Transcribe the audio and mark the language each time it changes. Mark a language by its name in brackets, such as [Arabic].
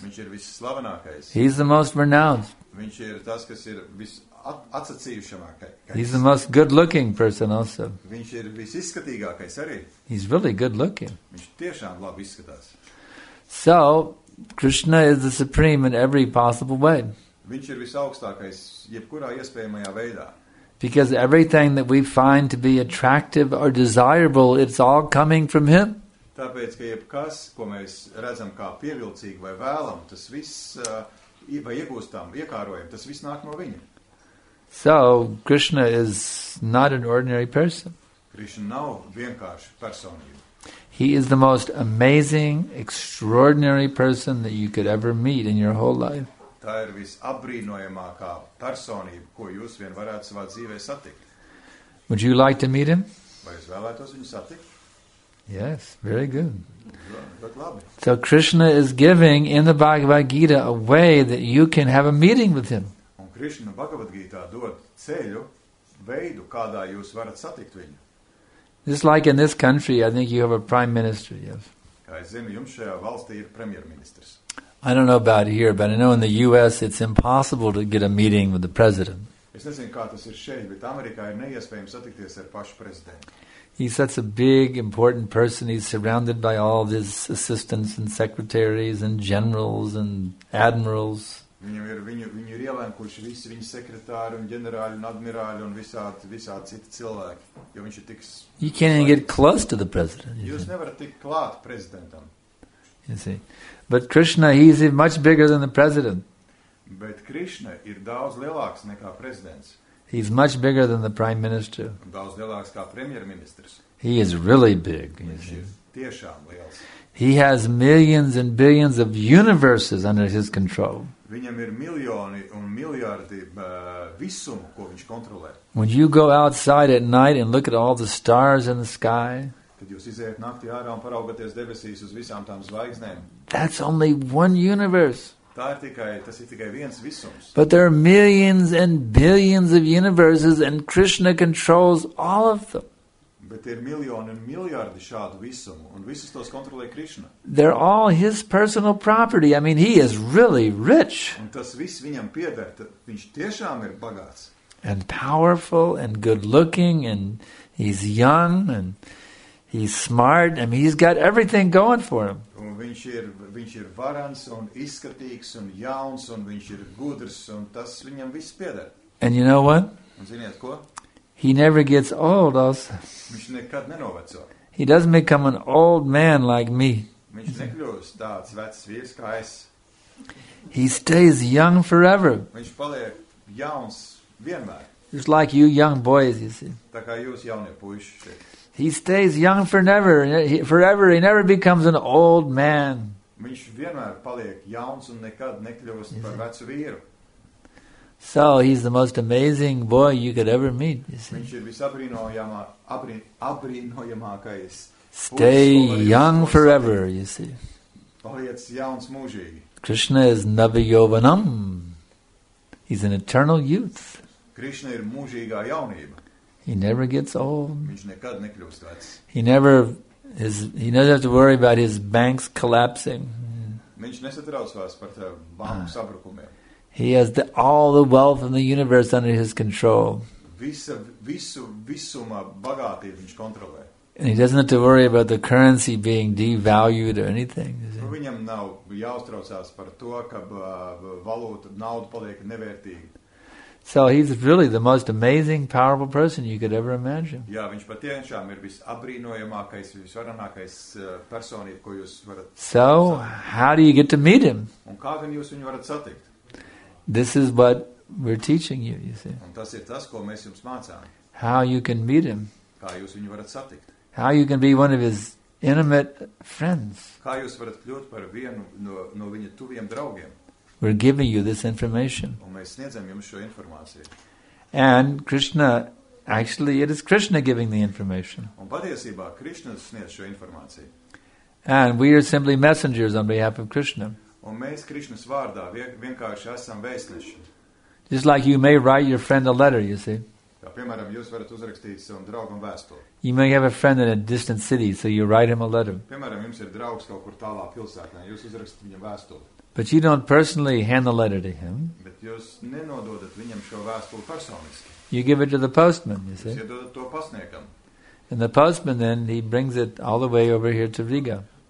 [Latvian] Viņš ir visslavenākais. [English] He is the most renowned. [Latvian] Viņš ir tas, kas ir visatsacījušamākais. [English] He is the most good-looking person also. [Latvian] Viņš ir visizskatīgākais arī. [English] He is really good-looking. [Latvian] Viņš tiešām labi izskatās. [English] So, Krishna is the supreme in every possible way. [Latvian] Viņš ir visaugstākais jebkurā iespējamajā veidā. [English] Because everything that we find to be attractive or desirable, it's all coming from him. [Latvian] Tāpēc, ka jebkas, ko mēs redzam kā pievilcīgi vai vēlam, tas viss, vai iegūstam, iekārojam, tas viss nāk no viņa. [English] So, Krishna is not an ordinary person. [Latvian] Krishna nav vienkārši personība. [English] He is the most amazing, extraordinary person that you could ever meet in your whole life. [Latvian] Tā ir visapbrīnojamākā personība, ko jūs vien varētu savā dzīvē satikt. [English] Would you like to meet him? [Latvian] Vai jūs vēlētos viņu satikt? [English] Yes, very good. [Latvian] Bet labi. [English] So Krishna is giving in the Bhagavad Gita a way that you can have a meeting with him. [Latvian] Un Krishna Bhagavad Gita dod ceļu, veidu, kādā jūs varat satikt viņu. [English] Just like in this country, I think you have a prime minister, yes. [Latvian] Kā es zinu, jums šajā valstī ir premjerministrs. [English] I don't know about here, but I know in the U.S. it's impossible to get a meeting with the president. [Latvian] Es nezinu, kā tas ir šeit, bet Amerikā ir neiespējams satikties ar pašu prezidentu. [English] He's such a big, important person. He's surrounded by all his assistants and secretaries and generals and admirals. [Latvian] Viņu ir ielēnkuši visi viņa sekretāri un ģenerāļi un admirāļi un visādi citi cilvēki, jo viņš ir tiks... [English] You can't even get close to the president. [Latvian] Jūs nevarat tik klāt prezidentam. [English] You see. But Krishna, he is even much bigger than the president. [Latvian] Bet Krishna ir daudz lielāks nekā prezidents. [English] He is much bigger than the prime minister. [Latvian] Daudz lielāks kā premjerministrs. [English] He is really big. [Latvian] Viņš ir tiešām liels. [English] He has millions and billions of universes under his control. [Latvian] Viņam ir miljoni un miljardi visumu, ko viņš kontrolē. [English] When you go outside at night and look at all the stars in the sky, [Latvian] kad jūs izējat naktī ārā un paraugaties debesīs uz visām tām zvaigznēm, [English] that's only one universe. [Latvian] Tas ir tikai viens visums. [English] But there are millions and billions of universes and Krishna controls all of them. [Latvian] Bet ir miljoni un miljardi šādu visumu un visus tos kontrolē Krishna. [English] They're all his personal property. I mean, he is really rich. [Latvian] Un tas viss viņam pieder, viņš tiešām ir bagāts. [English] And powerful and good looking and he's young and he's smart. I mean, he's got everything going for him. [Latvian] Un viņš ir varans un izskatīgs un jauns un viņš ir gudrs un tas viņam viss pieder. [English] And you know what? [Latvian] Un ziniet ko? [English] He never gets old also. [Latvian] Viņš nekad nenoveco. [English] He doesn't become an old man like me. [Latvian] Viņš nekļūst tāds vecs vīrs kā es. [English] He stays young forever. [Latvian] Viņš paliek jauns vienmēr. [English] Just like you young boys, you see. [Latvian] Tā kā jūs jaunie puiši šeit. [English] He stays young forever. He never becomes an old man. [Latvian] Viņš vienmēr paliek jauns un nekad nekļūst par vecu vīru. [English] So he's the most amazing boy you could ever meet, you see. [Latvian] Viņš ir visabrīnojamākais. [English] Stay young forever, you see. [Latvian] Paliec jauns mūžīgi. [English] Krishna is Navayovanam. He's an eternal youth. [Latvian] Krishna ir mūžīgā jaunība. [English] He never gets old. [Latvian] Viņš nekad nekļūst vecs. [English] He never has to worry about his banks collapsing. [Latvian] Viņš nesatraucās par banku sabrukumiem. [English] He has all the wealth in the universe under his control. [Latvian] Visuma bagātību viņš kontrolē. [English] And he doesn't have to worry about the currency being devalued or anything. [Latvian] Viņam nav jāuztraucās par to, ka valūta, nauda paliek nevērtīga. [English] So he's really the most amazing, powerful person you could ever imagine. [Latvian] Jā, viņš patiešām ir visapbrīnojamākais, visvarenākais personība, ko jūs varat satikt. [English] So, how do you get to meet him? [Latvian] Un kā gan jūs viņu varat satikt? [English] This is what we're teaching you, you see. [Latvian] Un tas ir tas, ko mēs jums mācām. [English] How you can meet him. [Latvian] Kā jūs viņu varat satikt. [English] How you can be one of his intimate friends. [Latvian] Kā jūs varat kļūt par vienu no viņa tuviem draugiem. [English] We're giving you this information. [Latvian] Un mēs sniedzam jums šo informāciju. [English] And Krishna, actually it is Krishna giving the information. [Latvian] Un patiesībā Krishna sniedz šo informāciju. [English] And we are simply messengers on behalf of Krishna. [Latvian] Un mēs Krišnas vārdā vienkārši esam vēstneši. [English] Just like you may write your friend a letter, you see. [Latvian] Tā Piemēram, jūs varat uzrakstīt savam draugam vēstuli. [English] You may have a friend in a distant city, so you write him a letter. [Latvian] Piemēram, jums ir draugs kaut kur tālā pilsētā, jūs uzrakstat viņam vēstuli. [English] But you don't personally hand the letter to him. [Latvian] Bet jūs nenododat viņam šo vēstuli personiski. [English] You give it to the postman, you see. [Latvian] Jūs iedodat to pasniekam. [English] And the postman then, he brings it all the way over here to Riga.